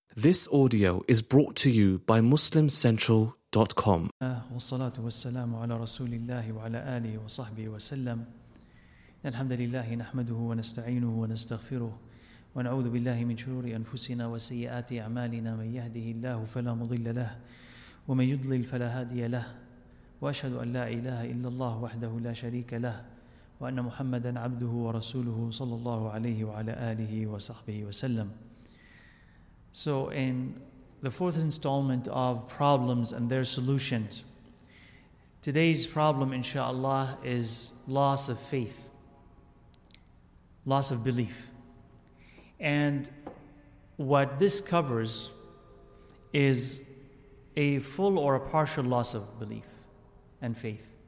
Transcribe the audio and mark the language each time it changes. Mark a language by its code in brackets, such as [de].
[en] This audio is brought to you by MuslimCentral.com. [ar] والصلاة والسلام على رسول الله وعلى آله وصحبه وسلم. الحمد لله نحمده ونستعينه ونستغفره ونعوذ بالله من شرور أنفسنا وسيئات أعمالنا من يهده الله فلا مضل له ومن يضلل فلا هادي له وأشهد أن لا إله إلا الله وحده لا شريك له وأن محمدا عبده ورسوله صلى الله عليه وعلى آله وصحبه وسلم. [en] So in the fourth installment of problems and their solutions, today's problem, inshallah, is loss of faith, loss of belief. And what this covers is a full or a partial loss of belief and faith.